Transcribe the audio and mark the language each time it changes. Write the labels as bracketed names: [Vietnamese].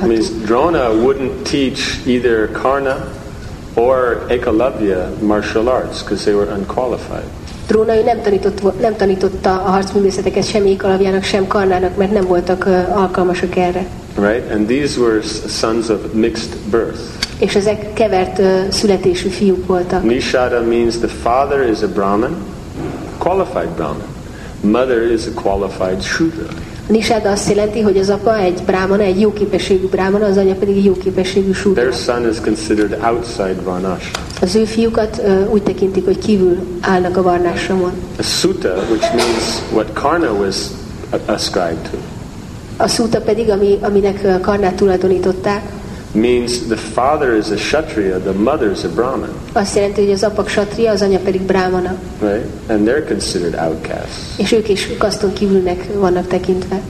[English] Means Drona wouldn't teach either Karna or Ekalavya martial arts because they were unqualified. [Hungarian] Drona nem tanította a harcművészeteket sem Ekalavyának, sem Karnának, mert nem voltak alkalmasok erre. [English] Right, and these were sons of mixed birth. [Hungarian] És ezek kevert születésű fiúk voltak. [English] Nishada means the father is a Brahmin, qualified Brahmin. Mother is a qualified Shudra. [Hungarian] Nishada azt jelenti, hogy az apa egy brámana, egy jó képességű brámana, az anya pedig egy jó képességű súdra. [English] Their son is considered outside Varna Ashram. [Hungarian] Az ő fiúkat úgy tekintik, hogy kívül állnak a Varna Ashramon. [English] A suta, which means what Karna was ascribed to. [Hungarian] A suta pedig, aminek Karnát tulajdonították. [English] Means the father is a kshatriya, the mother is a brahmin. [Hungarian] Azt jelenti, hogy az apa kshatriya, az anya pedig brámana. [English] Right, and they're considered outcasts. [Hungarian] És ők is kaszton kívülnek vannak tekintve.